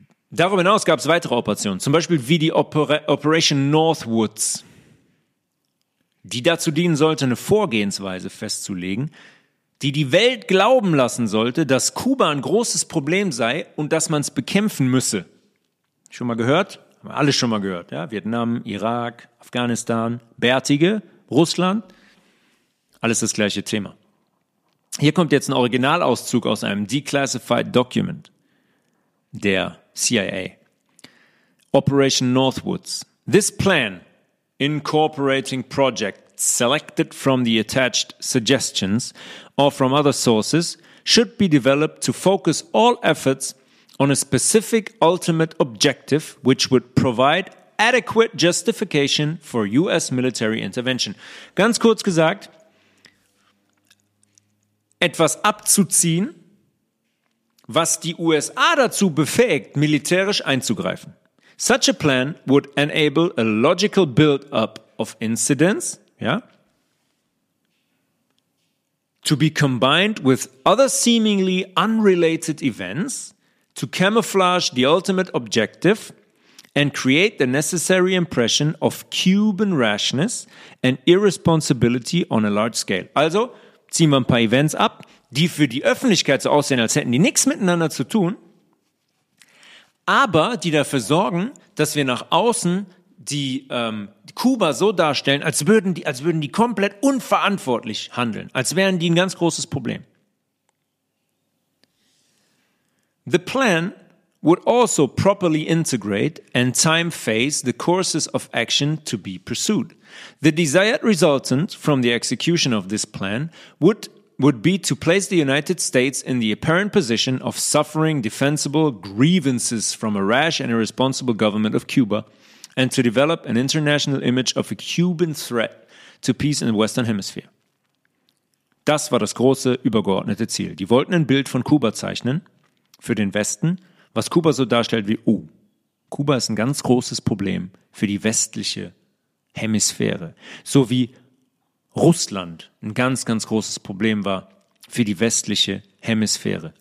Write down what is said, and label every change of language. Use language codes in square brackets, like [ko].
[de] Darüber hinaus gab es weitere Operationen, zum Beispiel wie die Operation Northwoods, die dazu dienen sollte, eine Vorgehensweise festzulegen, die die Welt glauben lassen sollte, dass Kuba ein großes Problem sei und dass man es bekämpfen müsse. Schon mal gehört? Haben wir alle schon mal gehört. Ja? Vietnam, Irak, Afghanistan, Bärtige, Russland. Alles das gleiche Thema. Hier kommt jetzt ein Originalauszug aus einem Declassified Document der CIA. [en] Operation Northwoods. This plan, incorporating Project guests selected from the attached suggestions or from other sources should be developed to focus all efforts on a specific ultimate objective which would provide adequate justification for US military intervention. [de] Ganz kurz gesagt, etwas abzuziehen, was die USA dazu befähigt, militärisch einzugreifen. [en] Such a plan would enable a logical build-up of incidents, yeah, to be combined with other seemingly unrelated events to camouflage the ultimate objective and create the necessary impression of Cuban rashness and irresponsibility on a large scale. [de] Also ziehen wir ein paar Events ab, die für die Öffentlichkeit so aussehen, als hätten die nichts miteinander zu tun, aber die dafür sorgen, dass wir nach außen die Kuba so darstellen, als würden die komplett unverantwortlich handeln, als wären die ein ganz großes Problem. [en] The plan would also properly integrate and time phase the courses of action to be pursued. The desired resultant from the execution of this plan would be to place the United States in the apparent position of suffering defensible grievances from a rash and irresponsible government of Cuba and to develop an international image of a Cuban threat to peace in the Western Hemisphere. [de] Das war das große, übergeordnete Ziel. Die wollten ein Bild von Kuba zeichnen für den Westen, was Kuba so darstellt wie, oh, Kuba ist ein ganz großes Problem für die westliche Hemisphäre. So wie Russland ein ganz, ganz großes Problem war für die westliche Hemisphäre.